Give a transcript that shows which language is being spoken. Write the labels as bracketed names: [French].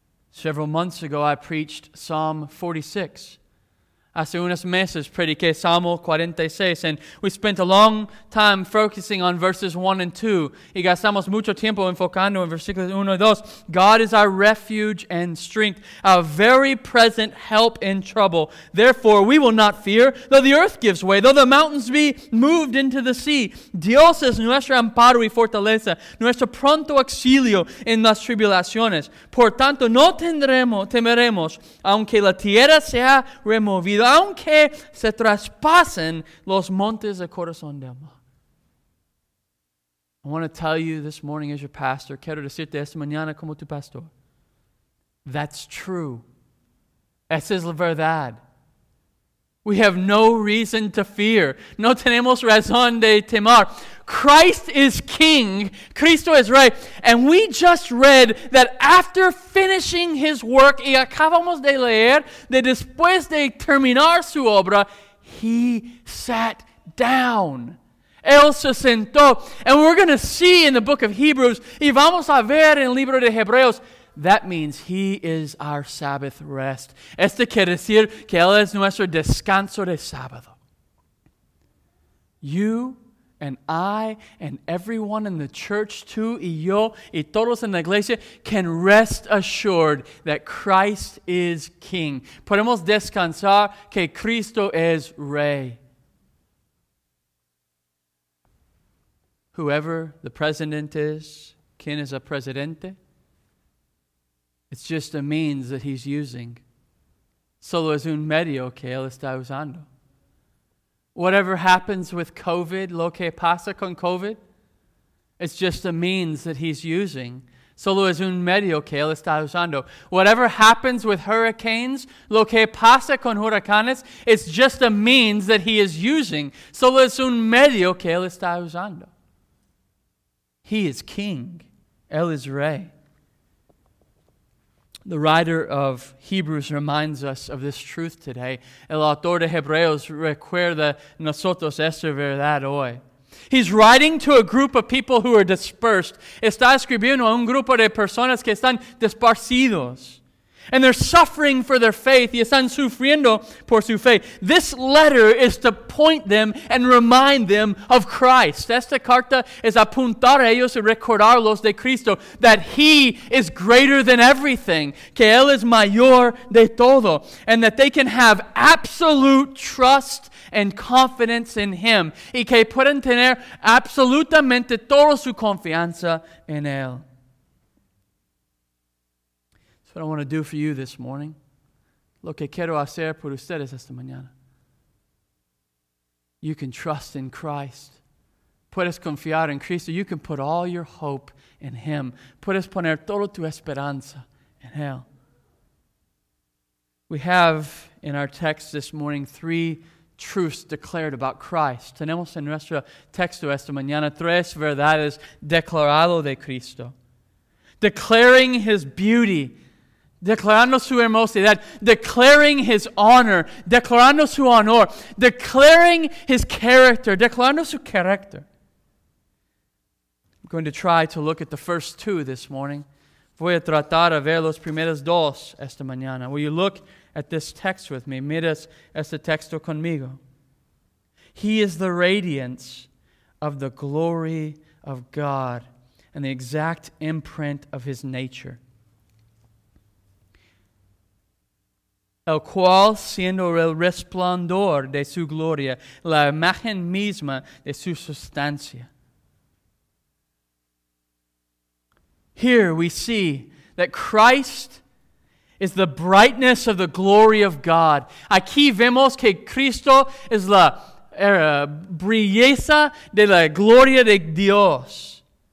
[English] Several months ago, I preached Psalm 46. [Spanish] Hace unos meses prediqué Salmo 46, [English] and we spent a long time focusing on verses 1 and 2. [Spanish] Y gastamos mucho tiempo enfocando en versículos 1 y 2. [English] God is our refuge and strength, our very present help in trouble. Therefore, we will not fear, though the earth gives way, though the mountains be moved into the sea. [Spanish] Dios es nuestro amparo y fortaleza, nuestro pronto auxilio en las tribulaciones. Por tanto, no temeremos, aunque la tierra sea removida, aunque se traspasen los montes de corazón de alma. [English] I want to tell you this morning as your pastor, [Spanish] quiero decirte esta mañana como tu pastor. [English] That's true. [Spanish] Esa es la verdad. [English] We have no reason to fear. [Spanish] No tenemos razón de temor. [English] Christ is King. [Spanish] Cristo es Rey. [English] And we just read that after finishing his work, [Spanish] y acabamos de leer, de después de terminar su obra, [English] he sat down. [Spanish] Él se sentó. [English] And we're going to see in the book of Hebrews, [Spanish] y vamos a ver en el libro de Hebreos, [English] that means he is our Sabbath rest. [Spanish] Este quiere decir que él es nuestro descanso de sábado. [English] You and I and everyone in the church too, [Spanish] y yo y todos en la iglesia, [English] can rest assured that Christ is King. [Spanish] Podemos descansar que Cristo es Rey. [English] Whoever the president is, [Spanish] ¿quién es el presidente? [English] It's just a means that he's using. [Spanish] Solo es un medio que él está usando. [English] Whatever happens with COVID, [Spanish] lo que pasa con COVID, [English] it's just a means that he's using. [Spanish] Solo es un medio que él está usando. [English] Whatever happens with hurricanes, [Spanish] lo que pasa con huracanes, [English] it's just a means that he is using. [Spanish] Solo es un medio que él está usando. [English] He is king. [Spanish] Él es rey. [English] The writer of Hebrews reminds us of this truth today. [Spanish] El autor de Hebreos recuerda nosotros esta verdad hoy. [English] He's writing to a group of people who are dispersed. [Spanish] Está escribiendo a un grupo de personas que están desparcidos. [English] And they're suffering for their faith. [Spanish] Y están sufriendo por su fe. [English] This letter is to point them and remind them of Christ. [Spanish] Esta carta es apuntar a ellos y recordarlos de Cristo. [English] That He is greater than everything. [Spanish] Que Él es mayor de todo. [English] And that they can have absolute trust and confidence in Him. [Spanish] Y que pueden tener absolutamente toda su confianza en Él. [English] That's what I want to do for you this morning. [Spanish] Lo que quiero hacer por ustedes esta mañana. [English] You can trust in Christ. [Spanish] Puedes confiar en Cristo. [English] You can put all your hope in Him. [Spanish] Puedes poner toda tu esperanza en Él. [English] We have in our text this morning three truths declared about Christ. [Spanish] Tenemos en nuestro texto esta mañana tres verdades declarado de Cristo. [English] Declaring His beauty. [Spanish] Declarando su hermosidad, [English] declaring His honor, [Spanish] declarando su honor, [English] declaring His character, [Spanish] declarando su carácter. [English] I'm going to try to look at the first two this morning. [Spanish] Voy a tratar a ver los primeros dos esta mañana. [English] Will you look at this text with me? [Spanish] Miras este texto conmigo. [English] He is the radiance of the glory of God and the exact imprint of His nature. [Spanish] El cual siendo el resplandor de su gloria, la imagen misma de su sustancia. [English] Here we see that Christ is the brightness of the glory of God. [Spanish] Aquí vemos que Cristo es la brilleza de la gloria de Dios.